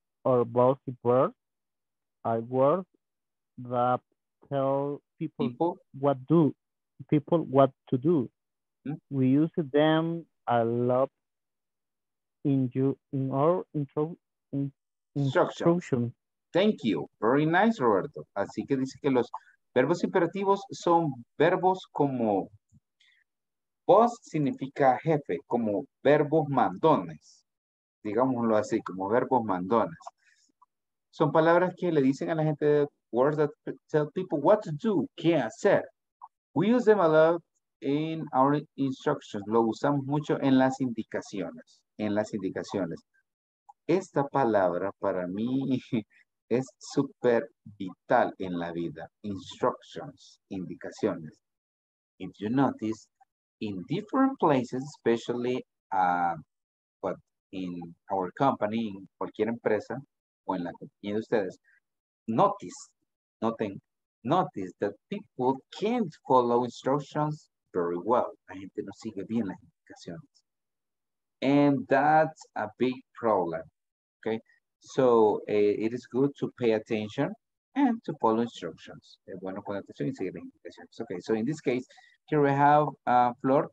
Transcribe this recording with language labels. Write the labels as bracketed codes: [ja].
[en] Or both words are words that tell people what do people what to do. Mm-hmm. We use them a lot in our instruction. Thank you. Very nice, Roberto. [es] Así que dice que los verbos imperativos son verbos como boss significa jefe, como verbos mandones. Digámoslo así, como verbos mandones. Son palabras que le dicen a la gente, [en] words that tell people what to do, [es] qué hacer. [en] We use them a lot in our instructions. [es] Lo usamos mucho en las indicaciones. En las indicaciones. Esta palabra para mí es súper vital en la vida. [en] Instructions, indicaciones. If you notice, in different places, especially but in our company, [es] en cualquier empresa, o en la compañía de ustedes, [en] notice that people can't follow instructions very well. [es] La gente no sigue bien las indicaciones. [en] And that's a big problem, okay? So it is good to pay attention and to follow instructions. [es] Es bueno con atención y seguir las indicaciones. [en] Okay, so in this case, here we have Flor.